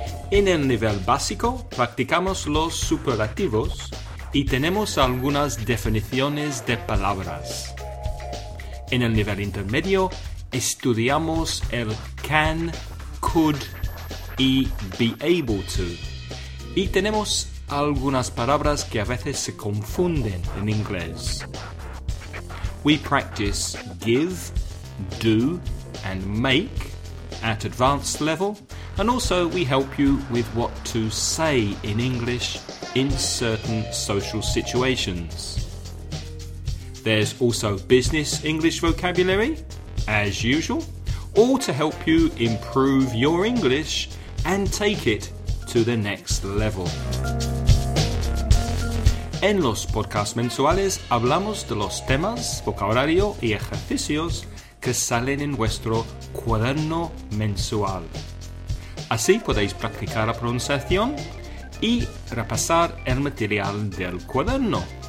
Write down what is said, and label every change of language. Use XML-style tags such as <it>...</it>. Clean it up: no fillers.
<es>En el nivel básico, practicamos los superlativos y tenemos algunas definiciones de palabras. En el nivel intermedio, estudiamos el can, could y be able to. Y tenemos algunas palabras que a veces se confunden en inglés.</es> <en>We practice give, do and make at advanced level. And also we help you with what to say in English in certain social situations. There's also business English vocabulary, as usual, all to help you improve your English and take it to the next level.</en> <es>En los podcasts mensuales hablamos de los temas, vocabulario y ejercicios que salen en vuestro cuaderno mensual. Así podéis practicar la pronunciación y repasar el material del cuaderno.</es>